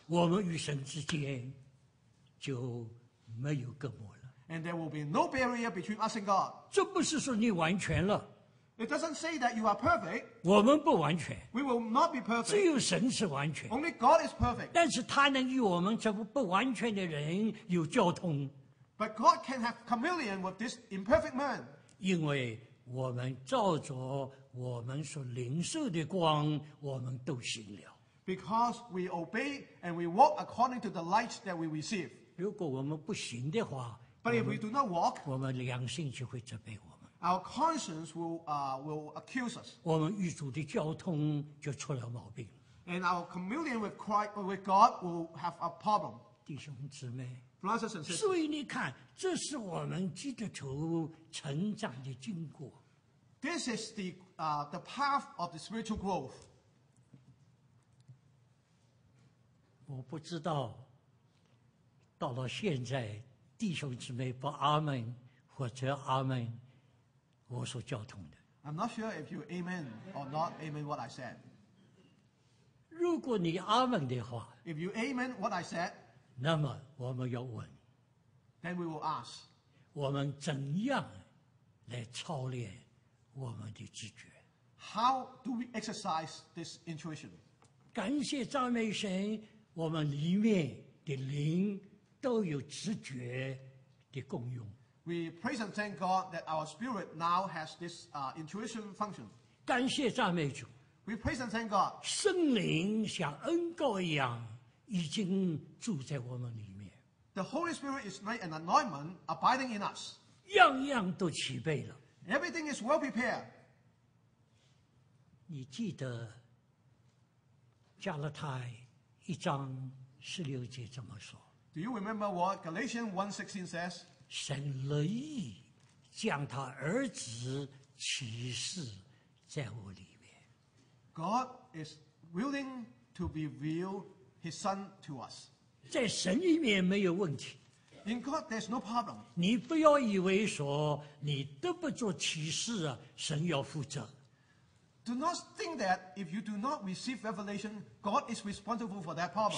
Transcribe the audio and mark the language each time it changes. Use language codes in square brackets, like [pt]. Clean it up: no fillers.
[zh] 我们与神之间就没有隔膜了。 [en] And there will be no barrier between us and God. [zh] 这不是说你完全了。 [en] It doesn't say that you are perfect. [zh] 我们不完全。 [en] We will not be perfect. [zh] 只有神是完全。 [en] Only God is perfect. [zh] 但是他能与我们这不完全的人有交通。 [en] But God can have communion with this imperfect man. [zh] 因为我们照着我们所领受的光，我们都行了。 [en] Because we obey and we walk according to the light that we receive. [zh] 如果我们不行的话， [en] But if we do not walk, [zh] 我们良心就会责备我。 [en] Our conscience will accuse us. [zh] 我们与主的交通就出了毛病。 [en] And our communion with Christ, with God will have a problem. [zh] 弟兄姊妹， [en] brothers and sisters. [zh] 所以你看，这是我们基督徒成长的经过。 [en] This is the path of the spiritual growth. [zh] 我不知道，到了现在，弟兄姊妹不阿们或者阿们。我所交通的。 [en] I'm not sure if you amen or not amen what I said. [zh] 如果你阿们的话， [en] If you amen what I said, [zh] 那么我们要问， [en] Then we will ask, [zh] 我们怎样来操练我们的直觉？ [en] How do we exercise this intuition? [zh] 感谢赞美神，我们里面的灵都有直觉的功用。 [en] We praise and thank God that our spirit now has this intuition function. [zh] 感谢赞美主。 [en] We praise and thank God. [zh] 圣灵像恩膏一样已经住在我们里面。 [en] The Holy Spirit is like an anointment abiding in us. [zh] 样样都齐备了。 [en] Everything is well prepared. [zh] 你记得加拉太一章十六节怎么说？ [en] Do you remember what Galatians 1:16 says? [zh] 神乐意将他儿子启示在我里面。 [en] God is willing to reveal His Son to us. [zh] 在神里面没有问题。 [en] In God, there's no problem. [zh] 你不要以为说你得不着启示啊，神要负责。 [en] Do not think that if you do not receive revelation, God is responsible for that problem.